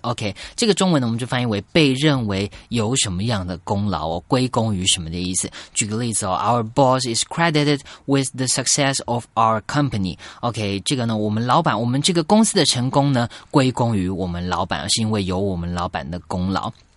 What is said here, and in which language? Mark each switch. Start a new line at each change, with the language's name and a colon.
Chinese: Okay, 这个中文呢，我们就翻译为被认为有什么样的功劳哦，归功于什么的意思。举个例子哦
English: ，Our boss is credited with the success of our company.
Chinese: Okay, 这个呢，我们老板，我们这个公司的成功呢，归功于我们老板，是因为有我们老板的功劳。